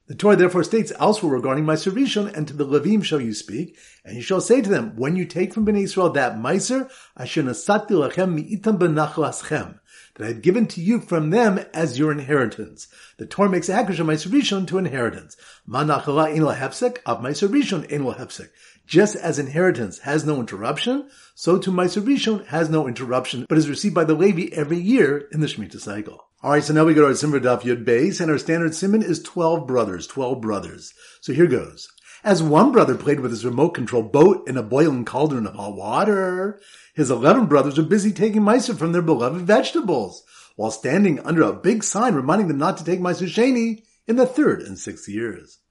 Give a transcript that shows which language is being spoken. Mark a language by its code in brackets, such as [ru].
[en] The Torah therefore states elsewhere regarding Maaser Rishon, and to the Levim shall you speak, and you shall say to them, when you take from Bnei Israel that Maaser, [he] asher nasati lachem mi'itam b'nachlaschem, [en] that I have given to you from them as your inheritance. The Torah makes a hakash of Maaser Rishon to inheritance. [he] Manachala ein lahepsek, ab Maaser Rishon ein lahepsek. [en] Just as inheritance has no interruption, so too Maaser Rishon has no interruption, but is received by the Levi every year in the Shemitah cycle. All right, so now we go to our Simra Daf Yud Beis, and our standard Simon is 12 brothers, 12 brothers. So here goes. As one brother played with his remote control boat in a boiling cauldron of hot water, his 11 brothers were busy taking Maaser from their beloved vegetables, while standing under a big sign reminding them not to take Maaser Sheni in the third and sixth years.